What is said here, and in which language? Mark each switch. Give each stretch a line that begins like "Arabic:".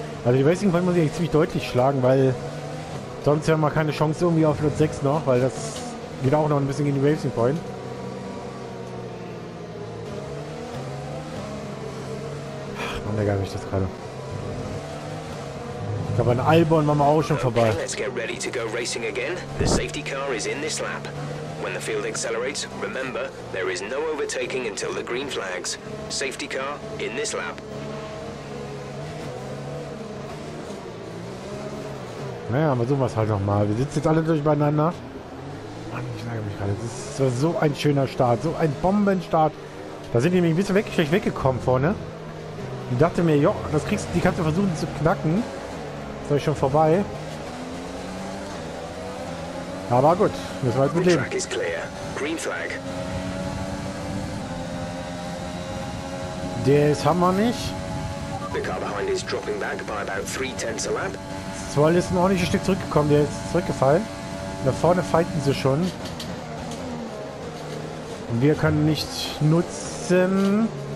German: Also die Racing Point muss ich eigentlich ziemlich deutlich schlagen, weil sonst haben wir keine Chance irgendwie auf Platz 6 noch, weil das geht auch noch ein bisschen gegen die Racing Point. Ach, Mann, der gab mich das gerade. Ich glaube, an Albon waren wir auch schon vorbei.
English: Okay, let's get ready to go racing again. The safety car is in this lap. When the field accelerates, remember, there is no overtaking until the green flags. Safety car in this lap.
German: Naja, versuchen wir es halt nochmal. Wir sitzen jetzt alle durcheinander. Mann, ich lage mich gerade. Das war so ein schöner Start. So ein Bombenstart. Da sind die nämlich ein bisschen schlecht weggekommen vorne. Ich dachte mir, jo, das kriegst, die kannst du versuchen zu knacken. Das war ich schon vorbei. Aber gut, müssen wir jetzt mit leben.
English: Green Flag.
German: Das haben wir nicht.
English: The car behind is dropping back by about 3/10 a lap.
German: Zwoll ist ein ordentliches Stück zurückgekommen, der ist zurückgefallen. Da vorne fighten sie schon. Und wir können nicht nutzen.